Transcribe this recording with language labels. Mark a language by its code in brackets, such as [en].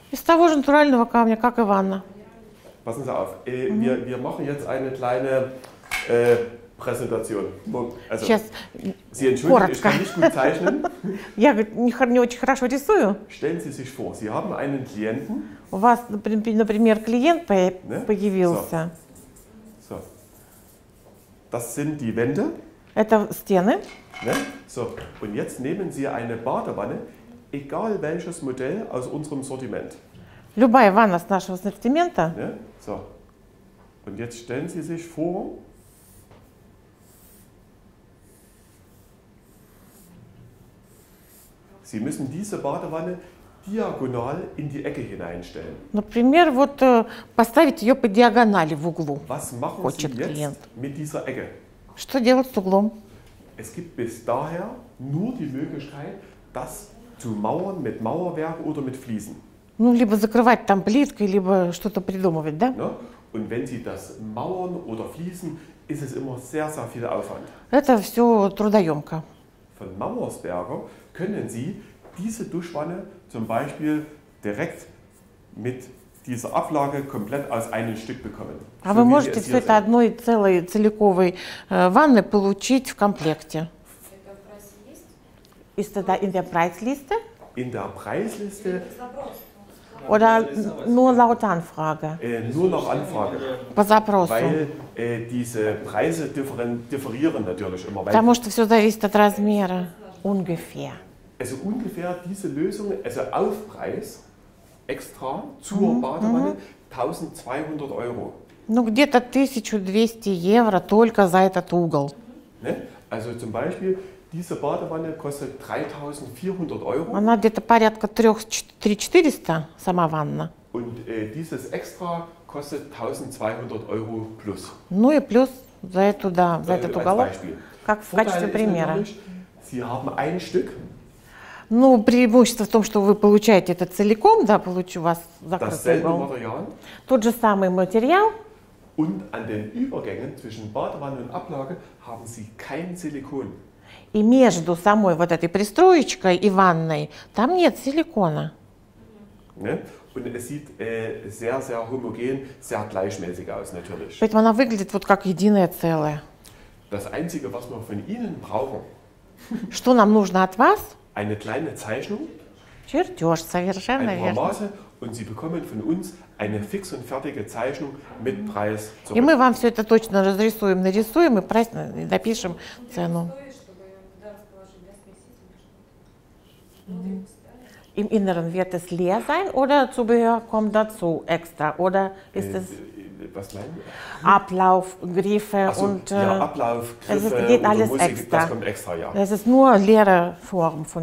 [ru] Из того же натурального камня, как и ванна. [de] Passen Sie auf, wir machen jetzt eine kleine Präsentation. Also, [ru] сейчас, [de] Sie entschuldigen, [ru] коротко. [de] Ich kann nicht gut zeichnen. [ru] Я не очень хорошо рисую. [de] Stellen Sie sich vor, Sie haben einen Klienten. [ru] У вас, например, клиент появился. [de] So. Das sind die Wände. [ru] Это стены. [de] Ne? So, und jetzt nehmen Sie eine Badewanne, egal welches Modell aus unserem Sortiment. [ru] Любая ванна с нашего ассортимента. [de] Ne? So, und jetzt stellen Sie sich vor. Sie müssen diese Badewanne diagonal in die Ecke hineinstellen. [ru] Например, вот поставить ее по диагонали в углу. [de] Was machen Sie jetzt Klient. Mit dieser Ecke? [ru] Что делать с углом? [de] Es gibt bis daher nur die Möglichkeit, das zu mauern mit Mauerwerk oder mit Fliesen. [ru] Ну, либо закрывать там плиткой, либо что-то придумывать, да? [de] Ne? Und wenn Sie das mauern oder fließen, ist es immer sehr, sehr viel Aufwand. [ru] Это все трудоемко. [de] Von Mauersberger können Sie diese Duschwanne zum Beispiel direkt mit dieser Ablage komplett aus einem Stück bekommen. Aber so [ru] можете все это одной целой целиковой ванны получить в комплекте. [de] Ist [ru] это [de] da in der Preisliste? In der Preisliste. Oder nur laut Anfrage? Nur nach Anfrage. [ru] По запросу. [de] Weil diese Preise differieren natürlich immer. Weil [ru] потому что все зависит от размера. [de] Ungefähr. Also ungefähr diese Lösung, also Aufpreis extra zur Badewanne, 1200 Euro. [ru] Ну, где-то 1200 евро только за этот угол. [de] Ne? Also zum Beispiel, diese Badewanne kostet 3400 Euro. [ru] Она где-то порядка 3400, сама ванна. [de] Und dieses extra kostet 1200 Euro plus. [ru] Ну и плюс за эту, да, за этот угол. [de] Als Beispiel. [ru] Как в качестве примера. [de] Sie haben ein Stück. [ru] Ну, преимущество в том, что вы получаете это целиком, да, получу вас закрытый угол. Тот же самый материал. [de] Und an den Übergängen zwischen Badewanne und Ablage haben Sie kein Silikon. [ru] И между самой вот этой пристроечкой и ванной там нет силикона. [de] Ne? Und es sieht sehr, sehr homogen, sehr gleichmäßig aus, natürlich. [ru] Поэтому она выглядит вот как единое целое. [de] Das Einzige, was wir von Ihnen brauchen. [ru] Что нам нужно от вас? [de] Eine kleine Zeichnung, [ru] чертеж, совершенно [de] ein paar Maße und Sie bekommen von uns eine fix und fertige Zeichnung mit Preis zurück. [ru] И мы вам все это точно разрисуем, нарисуем и прайс напишем цену. [de] Im Inneren wird es leer sein oder Zubehör kommt dazu extra oder ist es was meinen Sie? Ablauf, Griffe so, und ja, Ablauf, Griffe, es ist, geht alles Musik, extra. Das kommt extra, ja. Es ist nur leere Form von